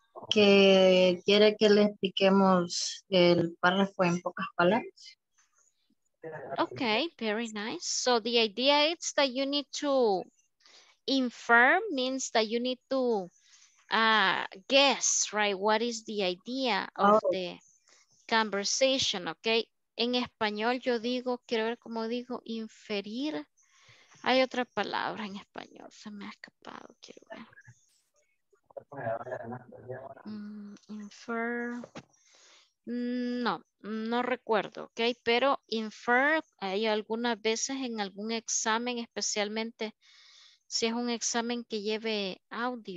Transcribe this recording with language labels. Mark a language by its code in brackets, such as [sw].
[es] Que quiere que le expliquemos el párrafo en pocas palabras. [en] Okay, very nice. So, the idea is that you need to infer, means that you need to guess, right? What is the idea of the conversation, okay? [es] En español yo digo, quiero ver cómo digo, inferir. Hay otra palabra en español, se me ha escapado, quiero ver. Infer. No recuerdo, ok, pero infer, hay algunas veces en algún examen, especialmente si es un examen que lleve audio.